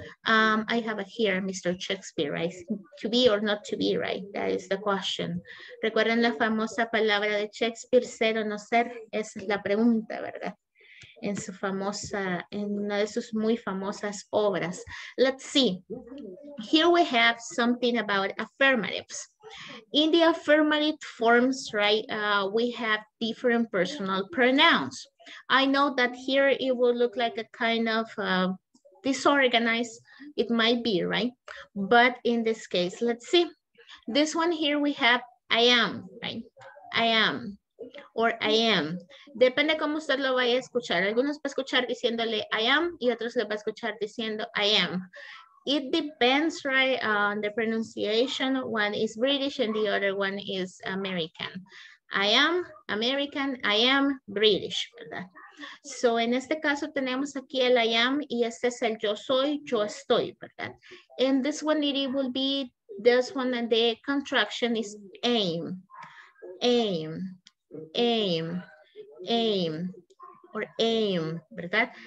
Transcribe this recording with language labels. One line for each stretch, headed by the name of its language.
English: I have it here, Mr. Shakespeare, right? To be or not to be, right? That is the question.
Spanish: ¿Recuerdan la famosa palabra de Shakespeare, ser o no ser? Esa es la pregunta, ¿verdad? En su famosa, en una de sus muy famosas obras.
English: Let's see. Here we have something about affirmatives. In the affirmative forms, right, we have different personal pronouns. I know that here it will look like a kind of disorganized, it might be, right? But in this case, let's see. This one here we have I am, right? I am. Or I am.
Spanish: Depende cómo usted lo vaya a escuchar. Algunos va a escuchar diciéndole
English: I am
Spanish: y otros le va a escuchar diciendo I am.
English: It depends, right, on the pronunciation. One is British and the other one is American. I am American, I am British, ¿verdad?
Spanish: So, en este caso tenemos aquí el
English: I am
Spanish: y este es el yo soy, yo estoy, ¿verdad?
English: And this one, it will be this one and the contraction is aim, aim, aim, aim, or aim, ¿verdad?